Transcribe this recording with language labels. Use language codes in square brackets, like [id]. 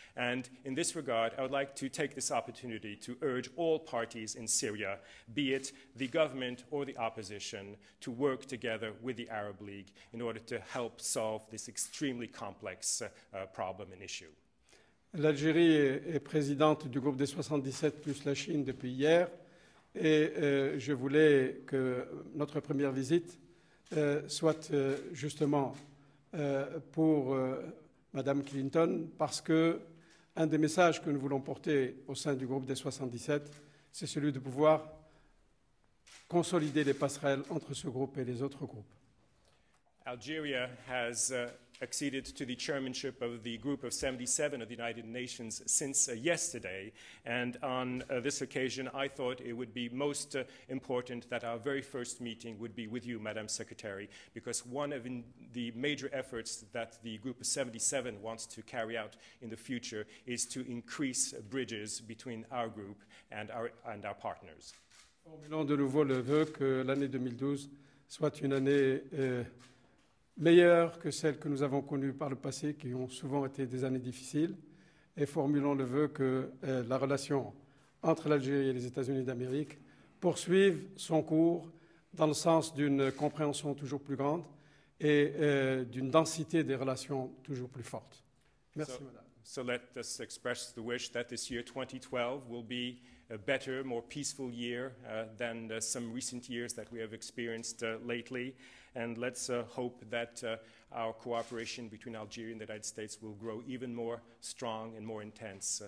[en] And in this regard, I would like to take this opportunity to urge all parties in Syria, be it the government or the opposition, to work together with the Arab League in order to help solve this extremely complex problem and issue. [fr] L'Algérie est présidente du groupe des 77 plus la Chine depuis hier, et je voulais que notre première visite soit justement pour Madame Clinton, parce que un des messages que nous voulons porter au sein du groupe des 77, c'est celui de pouvoir consolider les passerelles entre ce groupe et les autres groupes. [en] Algeria has acceded to the chairmanship of the group of 77 of the United Nations since yesterday, and on this occasion I thought it would be most important that our very first meeting would be with you, Madam Secretary, because one of the major efforts that the group of 77 wants to carry out in the future is to increase bridges between our group and our partners. [fr] Formulons de nouveau le vœu que l'année 2012 soit une année meilleure que celles que nous avons connues par le passé, qui ont souvent été des années difficiles, et formulons le vœu que la relation entre l'Algérie et les États-Unis d'Amérique poursuive son cours dans le sens d'une compréhension toujours plus grande et d'une densité des relations toujours plus forte. Merci, madame. [en] So let us express the wish that this year 2012 will be a better, more peaceful year than some recent years that we have experienced lately. And let's hope that our cooperation between Algeria and the United States will grow even more strong and more intense.